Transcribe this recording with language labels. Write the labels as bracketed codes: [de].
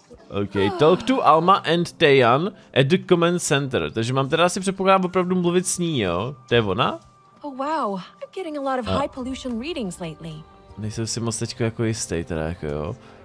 [en] Ok, talk to Alma and Tayan at the command center. [cs] Takže mám teda asi předpokládám opravdu mluvit s ní, jo? To je ona? [en] Oh wow, I'm getting a lot of high pollution readings lately. [cs] Nejsem si moc teďko jako jistý, teda jako jo.